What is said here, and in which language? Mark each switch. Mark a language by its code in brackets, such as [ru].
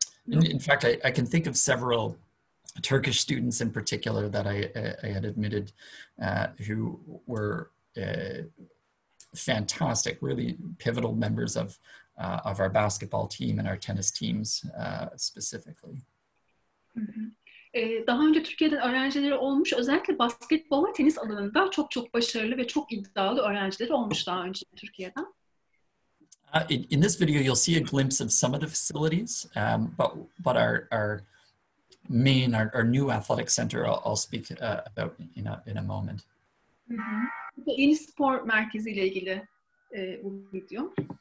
[en] In fact, I can think of several Turkish students in particular that I had admitted who were fantastic, really pivotal members of our basketball team and our tennis teams specifically. [tr] Daha önce Türkiye'den öğrencileri olmuş, özellikle basketbol ve tenis alanında çok çok başarılı ve çok iddialı öğrencileri olmuş daha önce Türkiye'den. [en] In this video, you'll see a glimpse of some of the facilities, but our main, our new athletic center, I'll speak about in a moment. [tr] Yeni spor merkezi ile ilgili bu video.